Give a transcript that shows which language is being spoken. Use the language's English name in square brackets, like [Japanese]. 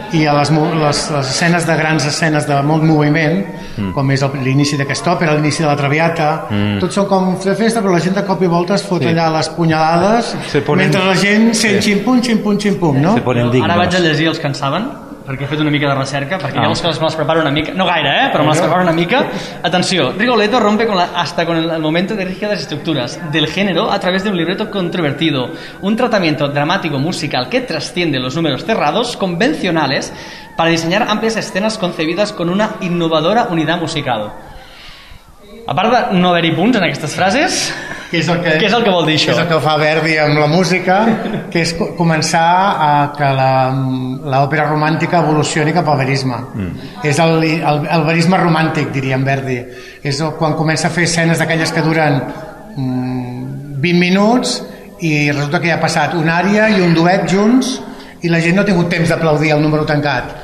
[Catalan] i a les escenes de grans escenes de molt moviment, com és l'inici d'aquesta òpera, l'inici de la Traviata, tots són com fer festa, però la gent de cop i volta es fot, sí, allà les punyalades, mentre la gent sent, sí, ximpum, ximpum, ximpum, no? [Spanish] Se ponen dignes. [Catalan] Ara vaig a llegir els que en saben, perquè he fet una mica de recerca, perquè llavors que me les preparo una mica, no gaire, però me les preparo una mica. [Spanish] Atenció, Rigoletto rompe con la, hasta con el momento de rígidas estructuras del género a través de un libreto controvertido, un tratamiento dramático musical que trasciende los números cerrados convencionales para diseñar amplias escenas concebidas con una innovadora unidad musical. [Catalan] A part de no haver-hi punts en aquestes frases, què és el que vol dir això? És el que fa Verdi amb la música, que és començar a que l'òpera romàntica evolucioni cap al verisme. És el verisme romàntic, diríem, Verdi. És quan comença a fer escenes d'aquelles que duren 20 minuts i resulta que ja ha passat una ària i un duet junts i la gent no ha tingut temps d'aplaudir el número tancat.